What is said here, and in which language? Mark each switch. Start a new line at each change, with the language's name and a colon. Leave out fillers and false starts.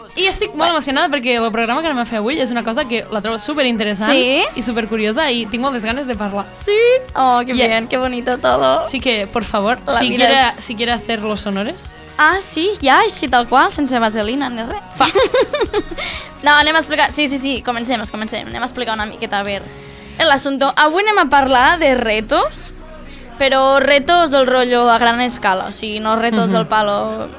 Catalan: I estic molt emocionada perquè el programa que anem a fer avui és una cosa que la trobo superinteressant, sí? I supercuriosa i tinc moltes ganes de parlar.
Spanish: Sí? Oh, que yes. Bien, que bonito todo. Sí que, por favor, la si quiere si quiere hacer los honores.
Catalan: Ah, sí, ja, així tal qual, sense vaselina ni res. Fa. No, anem a explicar, sí, comencem. Anem a explicar una miqueta, a veure, l'assumpte. Avui anem a parlar de retos. Però retos del rotllo a gran escala, o sigui, no retos mm-hmm.
Spanish: del palo...